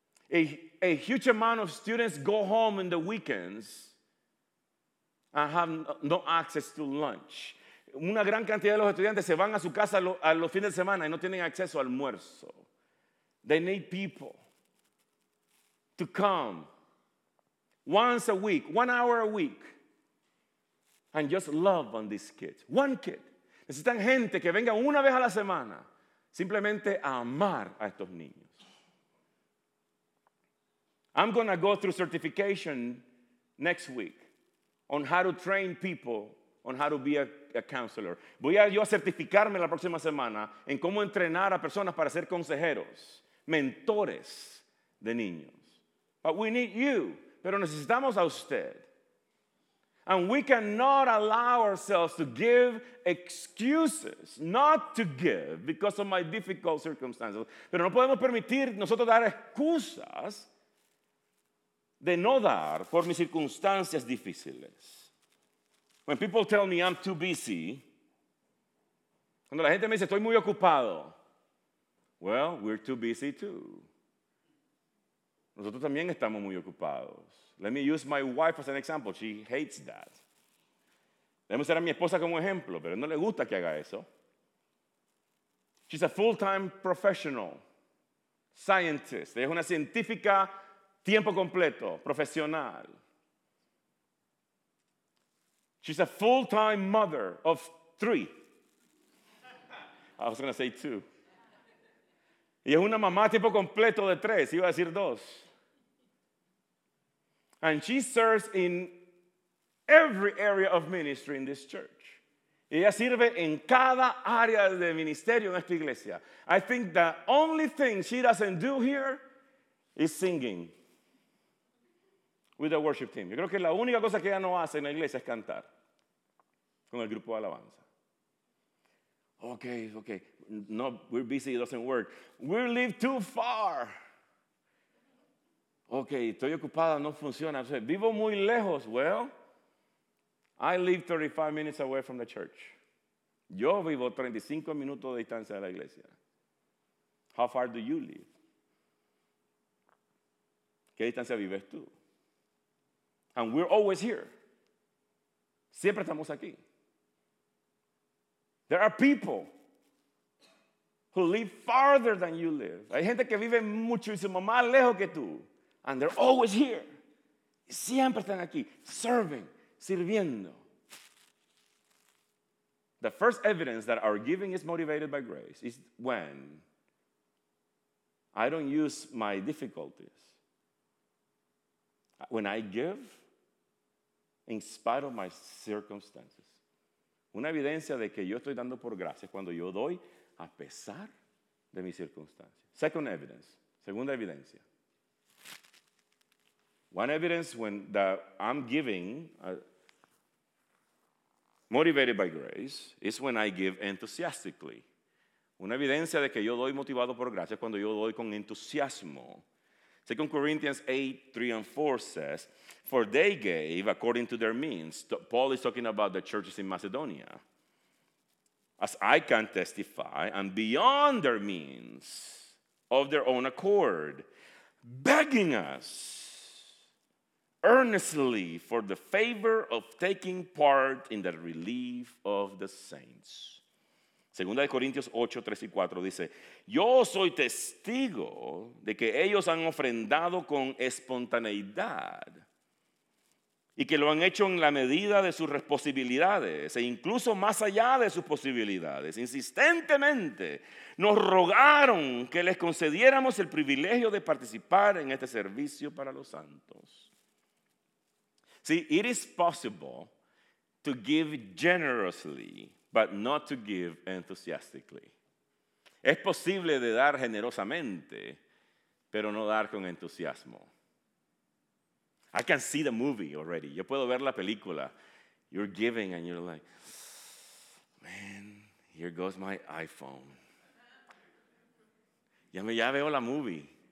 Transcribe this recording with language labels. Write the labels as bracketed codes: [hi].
[en] A huge amount of students go home in the weekends and have no access to lunch. [es] Una gran cantidad de los estudiantes se van a su casa a los fines de semana y no tienen acceso al almuerzo. [en] They need people to come once a week, 1 hour a week, and just love on these kids. One kid. [es] Necesitan gente que venga una vez a la semana simplemente a amar a estos niños. [en] I'm going to go through certification next week on how to train people on how to be a counselor. [es] Voy a yo a certificarme la próxima semana en cómo entrenar a personas para ser consejeros, mentores de niños. [en] But we need you. [es] Pero necesitamos a usted. [en] And we cannot allow ourselves to give excuses not to give because of my difficult circumstances. [es] Pero no podemos permitir nosotros dar excusas de no dar por mis circunstancias difíciles. [en] When people tell me I'm too busy, [es] cuando la gente me dice estoy muy ocupado, [en] well, we're too busy too. [es] Nosotros también estamos muy ocupados. [en] Let me use my wife as an example. She hates that. [es] Déjame usar a mi esposa como ejemplo, pero no le gusta que haga eso. [en] She's a full-time professional scientist. [es] Ella es una científica tiempo completo, profesional. [en] She's a full-time mother of three. I was going to say two. [es] Y es una mamá tiempo completo de tres, iba a decir dos. [en] And she serves in every area of ministry in this church. [es] Ella sirve en cada área de ministerio en esta iglesia. [en] I think the only thing she doesn't do here is singing with the worship team. [es] Yo creo que la única cosa que ella no hace en la iglesia es cantar con el grupo de alabanza. Okay. [en] No, we're busy, it doesn't work. We live too far. [es] Okay, estoy ocupada, no funciona. Vivo muy lejos. [en] Well, I live 35 minutes away from the church. [es] Yo vivo 35 minutos de distancia de la iglesia. [en] How far do you live? [es] ¿Qué distancia vives tú? [en] And we're always here. [es] Siempre estamos aquí. [en] There are people who live farther than you live. [es] Hay gente que vive muchísimo más lejos que tú. [en] And they're always here. [es] Siempre están aquí, [en] serving, [es] sirviendo. [en] The first evidence that our giving is motivated by grace is when I don't use my difficulties. When I give in spite of my circumstances. [es] Una evidencia de que yo estoy dando por gracia es cuando yo doy a pesar de mis circunstancias. Segunda evidencia. [en] One evidence when that I'm giving motivated by grace is when I give enthusiastically. [es] Una evidencia de que yo doy motivado por gracia es cuando yo doy con entusiasmo. [en] 2 Corinthians 8, 3 and 4 says, for they gave according to their means. Paul is talking about the churches in Macedonia. As I can testify, and beyond their means, of their own accord, begging us earnestly for the favor of taking part in the relief of the saints. [es] Segunda de Corintios 8, 3 y 4 dice, yo soy testigo de que ellos han ofrendado con espontaneidad y que lo han hecho en la medida de sus posibilidades e incluso más allá de sus posibilidades. Insistentemente nos rogaron que les concediéramos el privilegio de participar en este servicio para los santos. [en] See, it is possible to give generously, but not to give enthusiastically. [es] Es posible de dar generosamente, pero no dar con entusiasmo. [en] I can see the movie already. [es] Yo puedo ver la película. [en] You're giving and you're like, man, here goes my iPhone. [es] Ya veo la movie.